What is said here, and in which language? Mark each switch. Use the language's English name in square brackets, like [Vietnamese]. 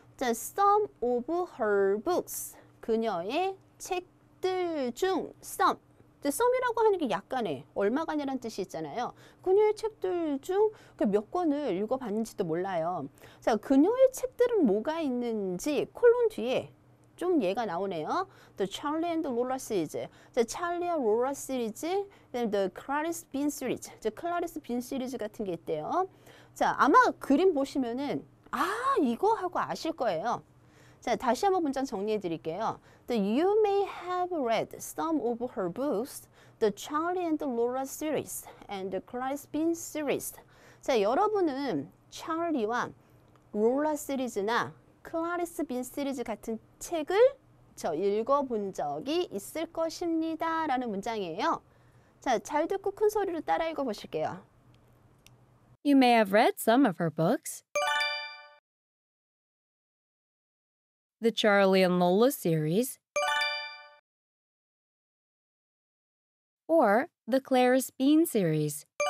[English] 자, some of her books. [Korean] 그녀의 책들 중 [English] some. [Korean] 자, some이라고 하는 게 약간의, 얼마간이라는 뜻이 있잖아요. 그녀의 책들 중 그 몇 권을 읽어봤는지도 몰라요. 자, 그녀의 책들은 뭐가 있는지 콜론 뒤에 좀 얘가 나오네요. [English] The Charlie and Lola series. The Charlie and Lola series. The Clarice Bean series. The Clarice Bean series [Korean] 같은 게 있대요. 자, 아마 그림 보시면은, 아, 이거 하고 아실 거예요. 자, 다시 한번 문장 정리해 드릴게요. [English] The you may have read some of her books, The Charlie and Lola series and The Clarice Bean series. [Korean] 자, 여러분은 Charlie와 Lola series나 클라리스 빈 시리즈 같은 책을 저 읽어본 적이 있을 것입니다. 라는 문장이에요. 자, 잘 듣고 큰 소리로 따라 읽어보실게요. [English] You may have read some of her books. The Charlie and Lola series. Or the Clarice Bean series.